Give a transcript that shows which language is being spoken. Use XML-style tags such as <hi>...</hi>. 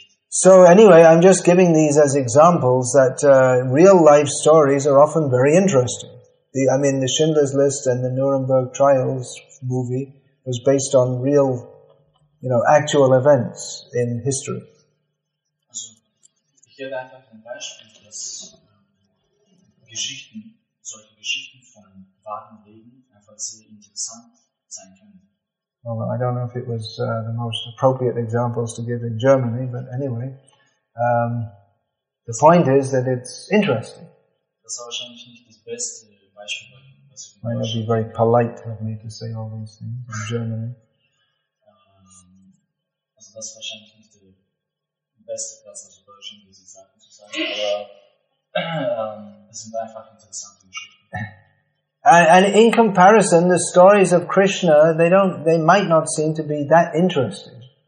<en>So anyway, I'm just giving these as examples that real life stories are often very interesting. The Schindler's List and the Nuremberg Trials movie was based on real, you know, actual events in history.</en> <de>Also, ich gebe einfach ein Beispiel, dass Geschichten, solche Geschichten von wahren Leben einfach sehr interessant sein können.</de> <en>Well, I don't know if it was the most appropriate examples to give in Germany, but anyway, the point is that it's interesting.</en> <de>Das war wahrscheinlich nicht das beste Beispiel, was ich in Deutschland.</de> <en>Might not be very polite of me to say all these things in Germany.</en> <de>Also das ist wahrscheinlich nicht der beste Platz aus Deutschland, diese Sachen zu sagen, aber es sind einfach interessante Geschichten.</de> <en>And in comparison, the stories of Krishna, they might not seem to be that interesting.</en>